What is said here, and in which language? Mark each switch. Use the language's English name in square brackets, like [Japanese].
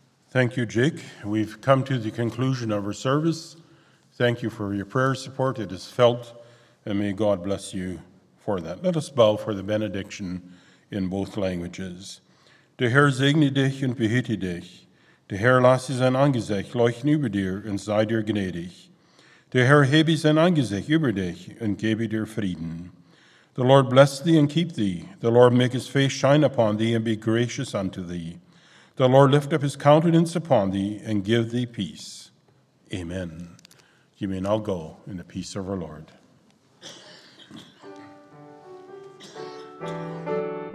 [English] Thank you, Jake. We've come to the conclusion of our service. Thank you for your prayer support. It is felt, and may God bless you for that. Let us bow for the benediction in both languages. [German] Der Herr segne dich und behüte dich. Der Herr lasse sein Angesicht leuchten über dir und sei dir gnädig. Der Herr hebe sein Angesicht über dich und gebe dir Frieden. [English] The Lord bless thee and keep thee. The Lord make his face shine upon thee and be gracious unto thee. The Lord lift up his countenance upon thee and give thee peace. Amen. You may now go in the peace of our Lord.